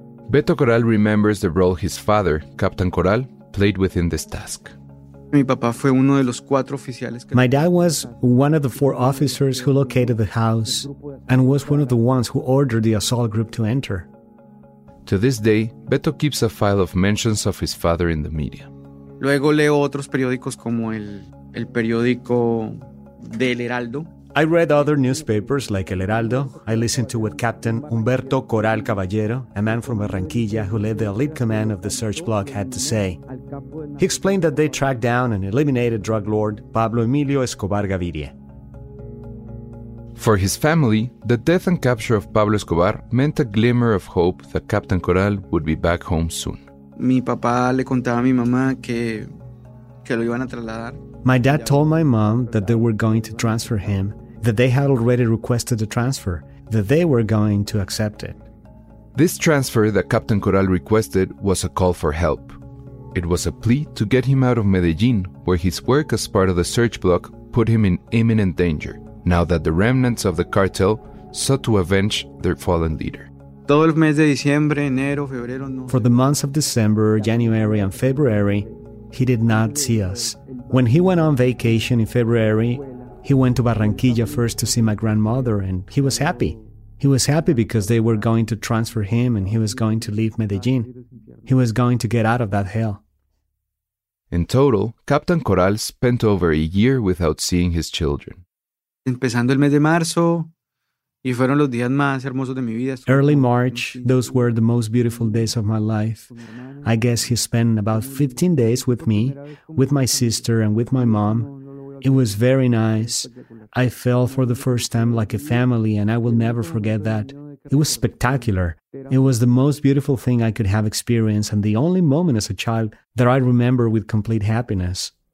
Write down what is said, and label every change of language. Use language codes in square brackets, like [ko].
[en] Beto Coral remembers the role his father, Captain Coral, played within this task. My dad was one of the four officers who located the house and was one of the ones who ordered the assault group to enter. To this day, Beto keeps a file of mentions of his father in the media. [es] Luego leo otros periódicos como el periódico del Heraldo. [en] I read other newspapers like El Heraldo. I listened to what Captain Humberto Coral Caballero, a man from Barranquilla who led the elite command of the search block, had to say. He explained that they tracked down and eliminated drug lord Pablo Emilio Escobar Gaviria. For his family, the death and capture of Pablo Escobar meant a glimmer of hope that Captain Coral would be back home soon. [es] Mi papá le contaba a mi mamá que lo iban a trasladar. [en] My dad told my mom that they were going to transfer him, that they had already requested the transfer, that they were going to accept it. This transfer that Captain Coral requested was a call for help. It was a plea to get him out of Medellín, where his work as part of the search block put him in imminent danger, now that the remnants of the cartel sought to avenge their fallen leader. For the months of December, January, and February, he did not see us. When he went on vacation in February, he went to Barranquilla first to see my grandmother, and he was happy. He was happy because they were going to transfer him and he was going to leave Medellín. He was going to get out of that hell. In total, Captain Coral spent over a year without seeing his children. [es] empezando el mes de marzo, y fueron los días más hermosos de mi vida. [en] Early March, those were the most beautiful days of my life. I guess he spent about 15 days with me, with my sister and with my mom. It was very nice. I felt for the first time like a family, and I will never forget that. It was spectacular. It was the most beautiful thing I could have experienced and the only moment as a child that I remember with complete happiness.